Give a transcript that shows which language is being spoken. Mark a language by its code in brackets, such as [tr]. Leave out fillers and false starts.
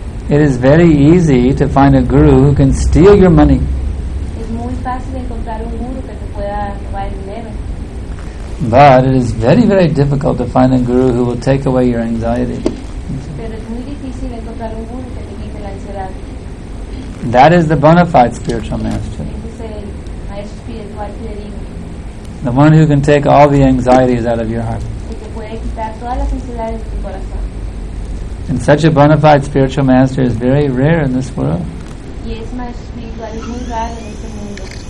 [en] It is very easy to find a guru who can steal your money. [es] Es muy fácil encontrar un guru que te pueda robar el dinero. [en] But it is very, very difficult to find a guru who will take away your anxiety. [es] Pero es muy difícil encontrar un guru que te quite la ansiedad. [en] That is the bona fide spiritual master. [es] Es el maestro espiritual fidedigno. [en] The one who can take all the anxieties out of your heart. [es] El que puede quitar todas las ansiedades de tu corazón. [en] And such a bona fide spiritual master is very rare in this world. [es] Yes, maestro espiritual es muy raro en este mundo.